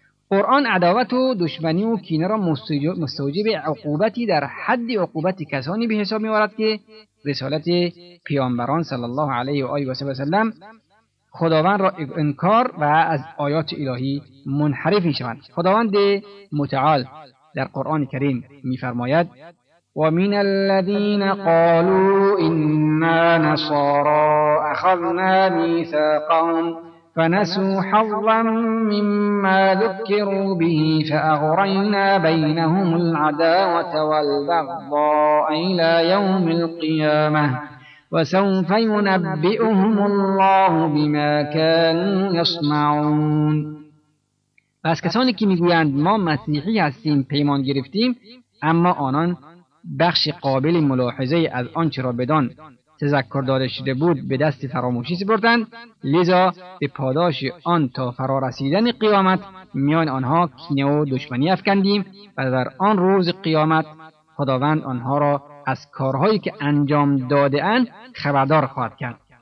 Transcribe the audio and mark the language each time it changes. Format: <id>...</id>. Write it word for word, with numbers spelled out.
<fa>قرآن عداوت و دشمنی و کینه را مستوجب عقوبتی در حد عقوبت کسانی به حساب می‌آورد که رسالت پیامبران صلی الله علیه و آله و سلم خداوند را انکار و از آیات الهی منحرف می‌شوند. خداوند متعال در قرآن کریم می‌فرماید:</fa> <ar>وَمِنَ الَّذِينَ قَالُوا إِنَّا نَصَارَىٰ أَخَذْنَا مِيثَاقَهُمْ فنسوا حظا مما ذكروا به فأغرينا بينهم العداوة والبغضاء إلى يوم القيامة وسوف ينبئهم الله بما كانوا يصنعون.</ar> <fa>پس کسانی که میگویند ما مسیحی هستیم، پیمان گرفتیم، اما آنان بخش قابل ملاحظه از آنچه را بدان تذکر داده شده بود به دست فراموشی سپردند، لذا به پاداش آن تا فرا رسیدن قیامت میان آنها کینه و دشمنی افکندیم و در آن روز قیامت خداوند آنها را از کارهایی که انجام داده اند خبردار خواهد کرد.</fa>